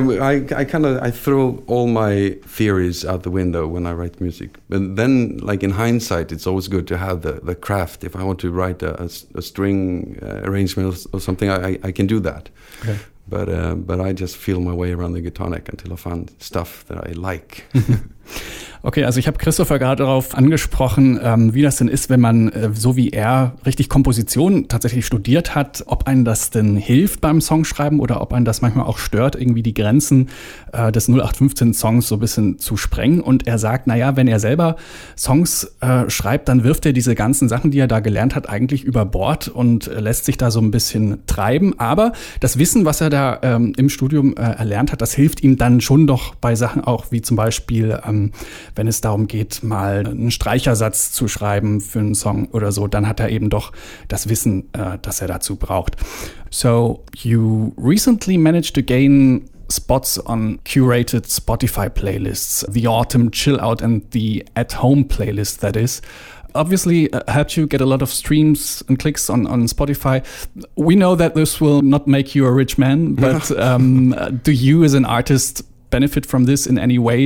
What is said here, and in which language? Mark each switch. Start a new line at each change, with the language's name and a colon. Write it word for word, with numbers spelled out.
English: I I kind of I throw all my theories out the window when I write music. But then, like in hindsight, it's always good to have the, the craft. If I want to write a, a, a string uh, arrangement or something, I, I I can do that. Okay. But uh, but I just feel my way around the guitar neck until I find stuff that I like.
German: Okay, also ich habe Christopher gerade darauf angesprochen, ähm, wie das denn ist, wenn man äh, so wie er richtig Komposition tatsächlich studiert hat, ob einem das denn hilft beim Songschreiben oder ob einem das manchmal auch stört, irgendwie die Grenzen äh, des null acht fünfzehn Songs so ein bisschen zu sprengen. Und er sagt, naja, wenn er selber Songs äh, schreibt, dann wirft er diese ganzen Sachen, die er da gelernt hat, eigentlich über Bord und äh, lässt sich da so ein bisschen treiben. Aber das Wissen, was er da ähm, im Studium äh, erlernt hat, das hilft ihm dann schon doch bei Sachen auch wie zum Beispiel, ähm, wenn es darum geht, mal einen Streichersatz zu schreiben für einen Song oder so, dann hat er eben doch das Wissen, äh, das er dazu braucht.
English: So, you recently managed to gain spots on curated Spotify playlists, the Autumn Chill Out and the At Home playlist, that is. Obviously uh, helped you get a lot of streams and clicks on, on Spotify. We know that this will not make you a rich man, but um, do you as an artist benefit from this in any way?